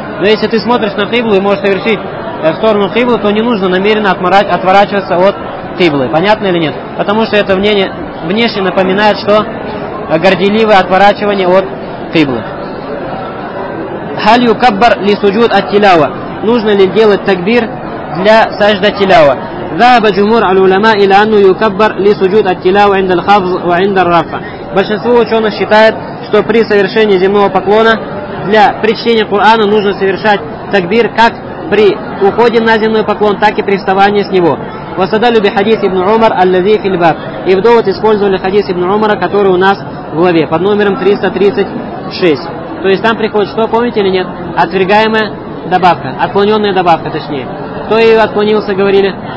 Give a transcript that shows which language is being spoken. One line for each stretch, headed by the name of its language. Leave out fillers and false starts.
Russian: Но если ты смотришь на Кыблу и можешь совершить в сторону Кыблы, то не нужно намеренно отворачиваться от Кыблы. Понятно или нет? Потому что это мнение внешне напоминает, что горделивое отворачивание от Кыблы.
Arabic: Халью каббар ли суджуд ат тилава.
Russian: Нужно ли делать такбир для сажда тилава?
Arabic: ذهب جمهور العلماء إلى أنه يكبر لسجود التلاوة عند الخفض وعند الرفع.
Russian: Большинство ученых считает, что при совершении земного поклона для прочтения Корана нужно совершать такбир как при уходе на земной поклон, так и при вставании с него.
Arabic: وصدلوا بحديث ابن عمر الذي في الباب.
Russian: И вдовы использовали хадис ибн Умара, который у нас в главе под номером 336. То есть там приходит что, помните или нет? Отвергаемая добавка, отклоненная добавка точнее. Кто ее отклонился, говорили?